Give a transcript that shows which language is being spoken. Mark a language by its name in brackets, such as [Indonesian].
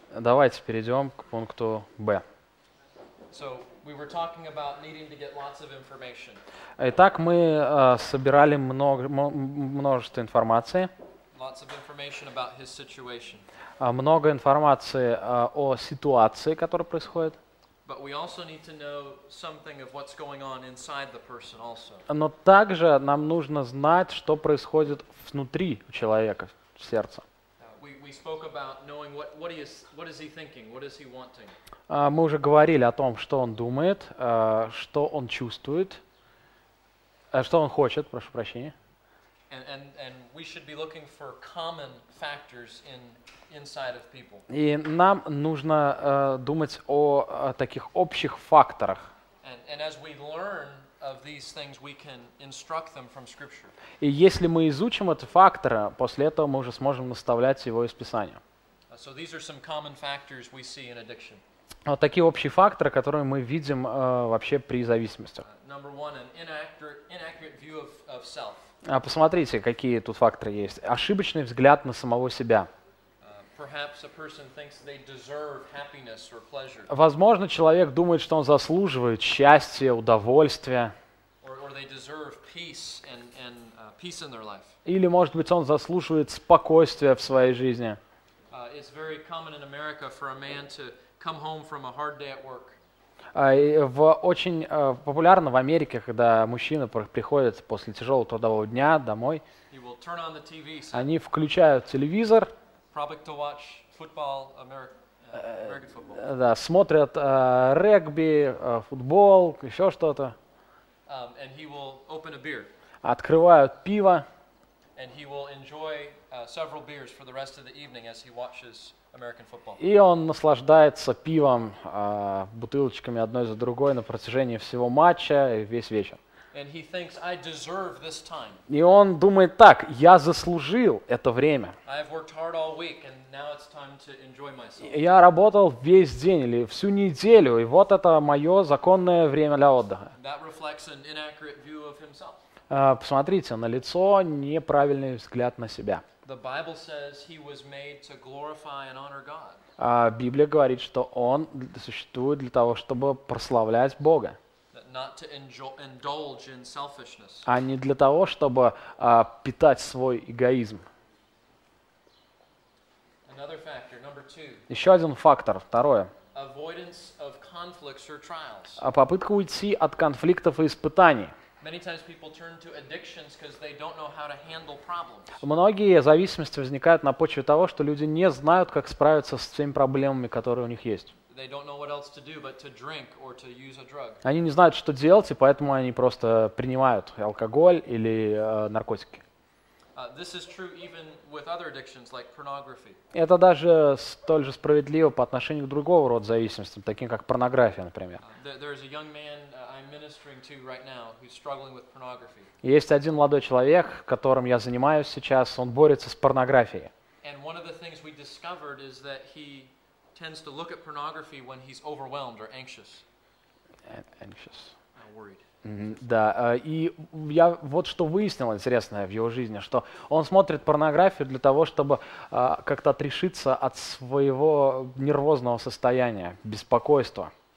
[Russian] Давайте перейдем к пункту Б. [English] So we were talking about needing to get lots of information. [Russian] Итак, мы собирали множество информации. [English] Lots of information about his situation. [Russian] Много информации о ситуации, которая происходит. [English] But we also need to know something of what's going on inside the person also. [Russian] Но также нам нужно знать, что происходит внутри у человека, в сердце. [English] We spoke about knowing what is he thinking, what is he wanting. [Russian] Мы уже говорили о том, что он думает, что он чувствует, что он хочет, прошу прощения. [English] And we should be looking for common factors inside of people. [Russian] И нам нужно думать о таких общих факторах. [English] And as we learn of these things, we can instruct them from Scripture. [Russian] И если мы изучим эти факторы, после этого мы уже сможем наставлять его из Писания. [English] So these are some common factors we see in addiction. [Russian] Вот такие общие факторы, которые мы видим вообще при зависимостях. [English] Number one, an inaccurate view of self. [Russian] Посмотрите, какие тут факторы есть. Ошибочный взгляд на самого себя. [English] Perhaps a person thinks they deserve happiness or pleasure. [Russian] Возможно, человек думает, что он заслуживает счастья, удовольствия. [English] Or they deserve peace and peace in their life. [Russian] Или, может быть, он заслуживает спокойствия в своей жизни. [English] It's very common in America for a man to come home from a hard day at work. [Russian] Очень популярно в Америке, когда мужчина приходит после тяжелого трудового дня домой, [English] he will turn on the TV, so [Russian] они включают телевизор, [English] to watch football, American football. [Russian] Да, смотрят регби, футбол, еще что-то, [English] and he will open a beer. [Russian] Открывают пиво, [English] and he will enjoy several beers for the rest of the evening as he watches American football. [Russian] И он наслаждается пивом, бутылочками одной за другой на протяжении всего матча и весь вечер. [English] And he thinks, I deserve this time. [Russian] И он думает так: я заслужил это время. [English] I have worked hard all week, and now it's time to enjoy myself. [Russian] Я работал весь день или всю неделю, и вот это мое законное время для отдыха. [English] That reflects an inaccurate view of himself. [Russian] Посмотрите, на лицо неправильный взгляд на себя. [English] The Bible says he was made to glorify and honor God. [Russian] Библия говорит, что он существует для того, чтобы прославлять Бога. [English] Not to indulge in selfishness. [Russian] А не для того, чтобы питать свой эгоизм. [English] Another factor, number two. [Russian] Еще один фактор, второе. [English] Avoidance of conflicts or trials. [Russian] Попытка уйти от конфликтов и испытаний. [English] Many times people turn to addictions because they don't know how to handle problems. [Russian] Многие зависимости возникают на почве того, что люди не знают, как справиться с теми проблемами, которые у них есть. [English] They don't know what else to do but to drink or to use a drug. [Russian] Они не знают, что делать, и поэтому они просто принимают алкоголь или наркотики. [English] This is true even with other addictions like pornography. [Russian] Это даже столь же справедливо по отношению к другого рода зависимостям, таким как порнография, например. [English] There is a young man I'm ministering to right now who's struggling with pornography. [Russian] Есть один молодой человек, которым я занимаюсь сейчас, он борется с порнографией. [English] And one of the things we discovered is that he tends to look at pornography when he's overwhelmed or anxious. Anxious. Worried. [Russian] Да, и я вот что выяснил интересное в его жизни, что он смотрит порнографию для того, чтобы как-то отрешиться от своего нервозного состояния, беспокойства.